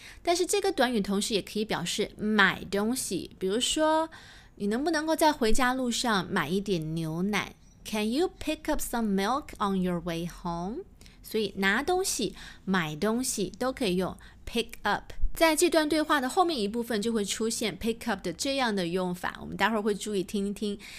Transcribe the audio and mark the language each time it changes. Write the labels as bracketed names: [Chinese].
[Chinese] 但是这个短语同时也可以表示买东西，比如说你能不能够在回家路上买一点牛奶？ [English] Can you pick up some milk on your way home? [Chinese] 所以拿东西、买东西都可以用 [English] pick up。 [Chinese] 在这段对话的后面一部分就会出现 [English] pick up [Chinese] 的这样的用法，我们待会儿会注意听一听。